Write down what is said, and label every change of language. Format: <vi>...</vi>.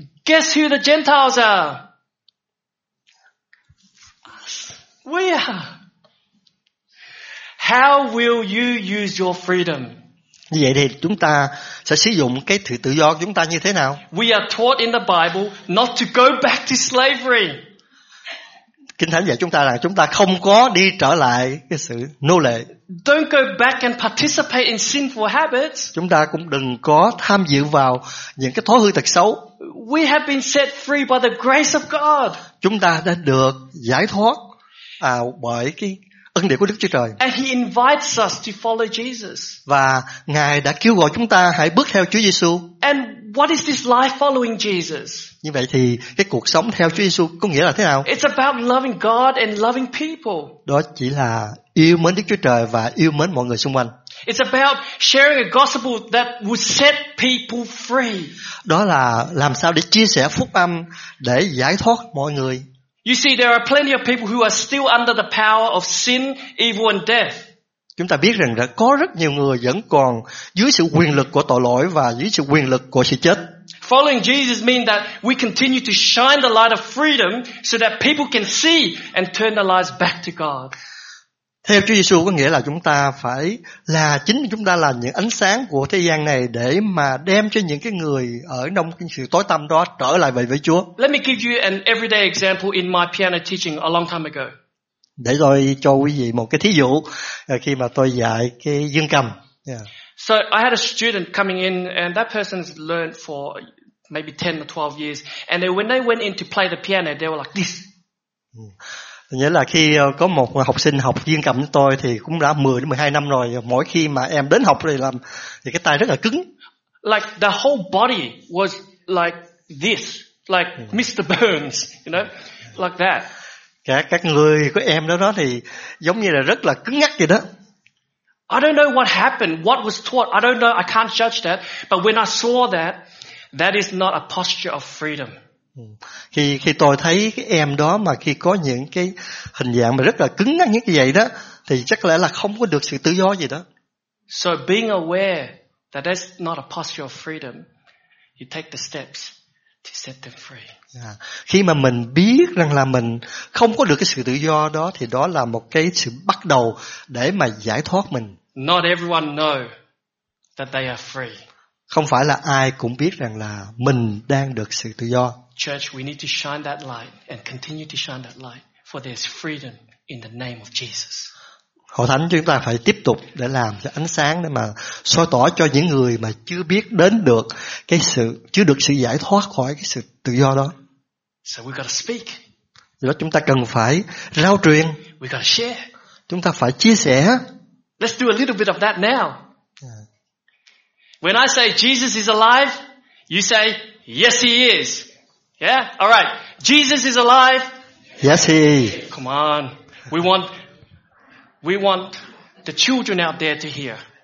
<en>Guess who the Gentiles are? We are. How will you use your freedom?</en> <vi>Như vậy thì chúng ta sẽ sử dụng cái sự tự do của chúng ta như thế nào?</vi> <en>We are taught in the Bible not to go back to slavery.</en> <vi>Kinh Thánh dạy chúng ta là chúng ta không có đi trở lại cái sự nô lệ.</vi> <en>Don't go back and participate in sinful habits.</en> <vi>Chúng ta cũng đừng có tham dự vào những cái thói hư tật xấu.</vi> <en>We have been set free by the grace of God.</en> <vi>Chúng ta đã được giải thoát bởi cái ân điển của Đức Chúa Trời.</vi> <en>And he invites us to follow Jesus.</en> <vi>Và Ngài đã kêu gọi chúng ta hãy bước theo Chúa Giêsu.</vi> <en>And what is this life following Jesus?</en> <vi>Như vậy thì cái cuộc sống theo Chúa Giêsu có nghĩa là thế nào?</vi> <en>It's about loving God and loving people.</en> <vi>Đó chỉ là yêu mến Đức Chúa Trời và yêu mến mọi người xung quanh.</vi> <en>It's about sharing a gospel that will set people free.</en> <vi>Đó là làm sao để chia sẻ phúc âm để giải thoát mọi người.</vi> <en>You see, there are plenty of people who are still under the power of sin, evil, and death.</en> <vi>Chúng ta biết rằng đã có rất nhiều người vẫn còn dưới sự quyền lực của tội lỗi và dưới sự quyền lực của sự chết.</vi> <en>Following Jesus means that we continue to shine the light of freedom so that people can see and turn their lives back to God.</en> <vi>Theo Chúa Giêsu có nghĩa là chúng ta phải là chính chúng ta là những ánh sáng của thế gian này để mà đem cho những cái người ở trong sự tối tăm đó trở lại về với Chúa.</vi> <en>Let me give you an everyday example in my piano teaching a long time ago.</en> <vi>Để tôi cho quý vị một cái thí dụ khi mà tôi dạy cái dương cầm.</vi> <en>So I had a student coming in and that person's learned for maybe 10 or 12 years and then when they went in to play the piano they were like this.</en> <vi>Nghĩa là khi có một học sinh học dương cầm với tôi thì cũng đã 10 đến 12 năm rồi, mỗi khi mà em đến học thì làm thì cái tay rất là cứng.</vi> <en>Like the whole body was like this, like Mr. Burns, you know? Like that.</en> <vi>Các người của em đó thì giống như là rất là cứng nhắc vậy đó.</vi> <en>I don't know what happened, what was taught, I don't know, I can't judge that, but when I saw that, that is not a posture of freedom.</en> <vi>Khi tôi thấy cái em đó mà khi có những cái hình dạng mà rất là cứng nhắc như vậy đó thì chắc lẽ là không có được sự tự do gì đó.</vi> <en>So being aware that that's not a posture of freedom, you take the steps to set them free.</en> <vi>Khi mà mình biết rằng là mình không có được cái sự tự do đó thì đó là một cái sự bắt đầu để mà giải thoát mình.</vi> <en>Not everyone know that they are free.</en> <vi>Không phải là ai cũng biết rằng là mình đang được sự tự do.</vi> <en>Church, we need to shine that light and continue to shine that light for there's freedom in the name of Jesus.</en> <vi>Hội thánh chúng ta phải tiếp tục để làm cho ánh sáng để mà soi tỏ cho những người mà chưa biết đến được cái sự chưa được sự giải thoát khỏi cái sự tự do đó.</vi> <en>So we got to speak.</en> <vi>Do đó chúng ta cần phải rao truyền.</vi> <en>We got to share.</en> <vi>Chúng ta phải chia sẻ.</vi> <en>Let's do a little bit of that now. When I say Jesus is alive, you say yes he is. Yeah? All right. Jesus is alive. Yes he is. Come on. We want the children out there to hear.</en>